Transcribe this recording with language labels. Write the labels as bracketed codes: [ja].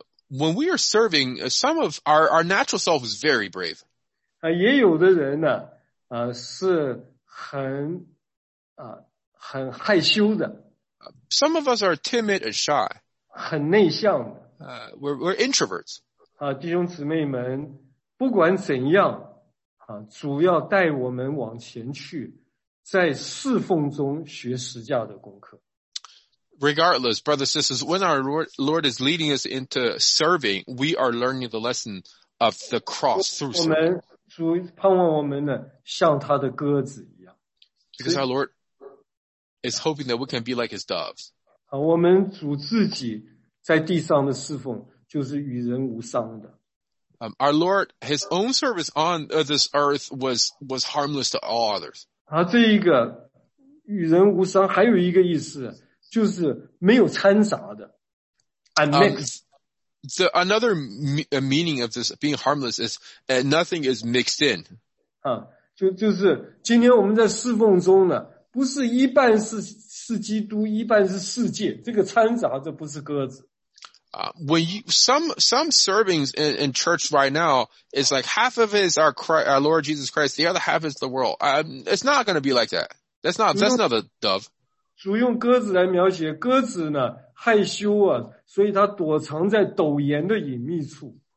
[en] When we are serving, some of our natural self is very brave. [zh] 也有的人呢，是很，很害羞的。 [en] Some of us are timid and shy. [zh] 很内向的。 [en] We're introverts. [zh] 弟兄姊妹们，不管怎样，主要带我们往前去，在侍奉中学十架的功课。 [en] Regardless, brothers and sisters, when our Lord is leading us into serving, we are learning the lesson of the cross through serving. [zh] 主盼望我们呢，像他的鸽子一样。 [en] Because our Lord is hoping that we can be like his doves. [zh] 我们主自己在地上的侍奉就是与人无伤的。 [en] Our Lord, his own service on this earth was harmless to all others. [zh] 这一个与人无伤还有一个意思就是没有掺杂的。 [en] Another meaning of this being harmless is that nothing is mixed in. [zh] 就是今天我们在侍奉中呢不是一半是基督一半是世界这个掺杂这不是鸽子。 [en] Some servings in church right now is like half of it is our Lord Jesus Christ, the other half is the world. It's not going to be like that. That's not a dove. [zh] 主用鸽子来描写，鸽子呢害羞啊，所以它躲藏在陡岩的隐秘处。